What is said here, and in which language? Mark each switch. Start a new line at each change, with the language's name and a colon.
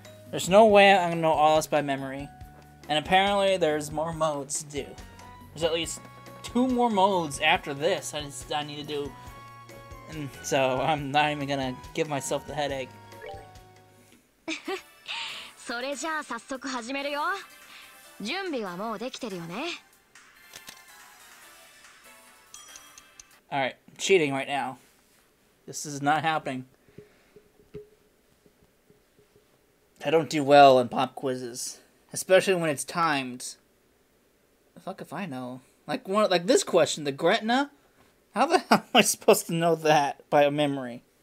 English: There's no way I'm gonna know all this by memory. And apparently there's more modes to do. There's at least... Two more modes after this I need to do. And so I'm not even gonna give myself the headache.
Japanese: それじゃあ早速始めるよ。準備はもうできてるよね。
English: Alright, I'm cheating right now. This is not happening. I don't do well in pop quizzes. Especially when it's timed. The fuck if I know. Like, one, like this question, the Gretna? How the hell am I supposed to know that by a memory?